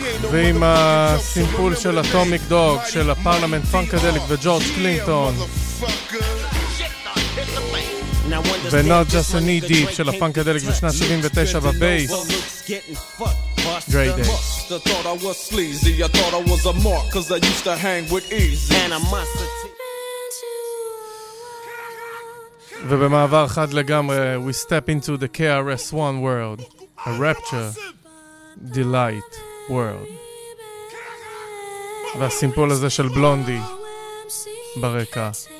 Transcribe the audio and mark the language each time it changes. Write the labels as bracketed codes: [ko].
[he] ועם הסימפול של אטומיק דוג של הפרלמנט פנקדליק וג'ורג' קלינטון ו-Not Just a Knee Deep של הפנקדליק בשנת 79 בבייס Great [en] day. I thought I was sleazy, I thought I was a mark, cause I used to hang with easy. [he] ובמעבר חד לגמרי, [en] we step into the KRS-One world, a rapture Delight World. [he] והסימפול הזה של בלונדי ברקע.